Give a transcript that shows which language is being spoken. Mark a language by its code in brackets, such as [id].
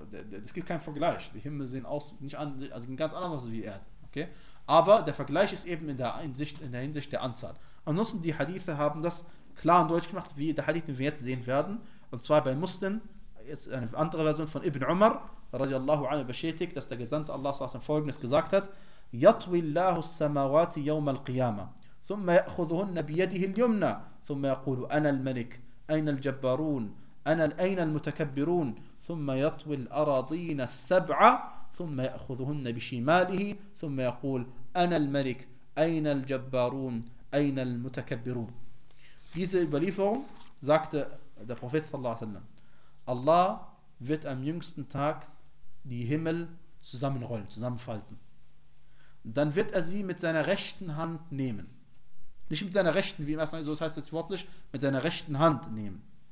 [de] Es gibt keinen Vergleich. Die Himmel sehen aus, nicht an, also ganz anders aus wie die Erde. Okay? Aber der Vergleich ist eben in der Hinsicht der Anzahl. Ansonsten, die Hadithe haben das klar und deutlich gemacht, wie der Hadith, den wir jetzt sehen werden. Und zwar bei Muslim, ist eine andere Version von Ibn Umar, radiallahu anhu, bestätigt, dass der Gesandte Allah s.a.w. folgendes gesagt hat: [ar] يَطْوِي اللَّهُ السَّمَوَاتِ يَوْمَ الْقِيَامَةِ ثُمَّ يَأْخُذُهُنَّ بِيَدِهِ الْيُمْنَى ثُمَّ يَقُولُ أَنَا الْمَلِكُ أَيْنَ الْجَبَّارُونَ أين المتكبرون ثم يطوي الأراضين السبعة ثم يأخذهن بشماله ثم يقول أنا الملك أين الجبارون أين المتكبرون. [de] Diese Überlieferung, sagte der Prophet [ar] صلى الله عليه وسلم, [de] Allah wird am jüngsten Tag die Himmel zusammenrollen, zusammenfalten. Dann wird er sie mit seiner rechten Hand nehmen. Nicht mit seiner rechten, wie im ersten, so heißt es wörtlich, mit seiner rechten Hand nehmen.